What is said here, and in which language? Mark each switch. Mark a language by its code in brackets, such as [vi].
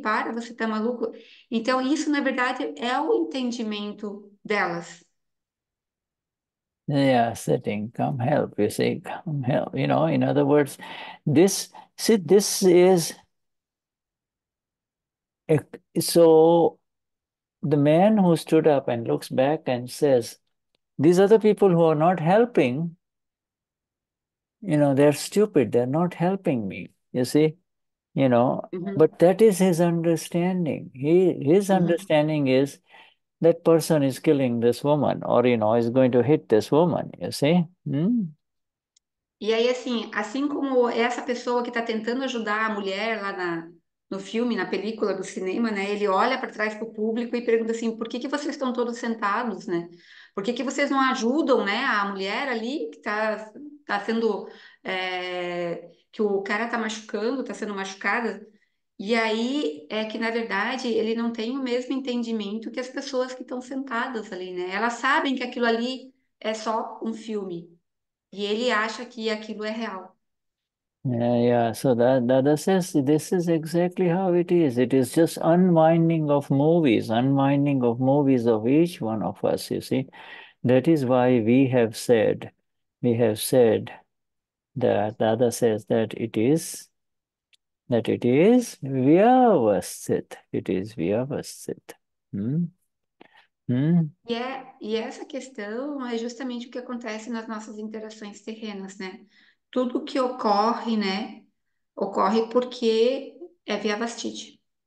[pt] Para, você está maluco? Então, isso, na verdade, é o entendimento delas. [en] They are sitting, come help, you say, come help. In other words, this, see, this is, a, so the man who stood up and looks back and says, these other people who are not helping, they're stupid, they're not helping me, you see, but that is his understanding. His understanding is, that person is killing this woman, or is going to hit this woman, you see? [pt] E aí, assim como essa pessoa que está tentando ajudar a mulher lá no filme, na película do cinema, né? Ele olha para trás para o público e pergunta assim: por que que vocês estão todos sentados, né? Por que que vocês não ajudam, né, a mulher ali que tá sendo, que o cara tá machucando, tá sendo machucada? E aí é que, na verdade, ele não tem o mesmo entendimento que as pessoas que estão sentadas ali, né? Elas sabem que aquilo ali é só um filme. E ele acha que aquilo é real. [en] Yeah, so Dada says this is exactly how it is. It is just unwinding of movies of each one of us, you see. That is why we have said that Dada says that it is vyavasthit. It is vyavasthit. [pt] E, e essa questão é justamente o que acontece nas nossas interações terrenas, né? Tudo que ocorre, né, ocorre porque é vyavasthiti.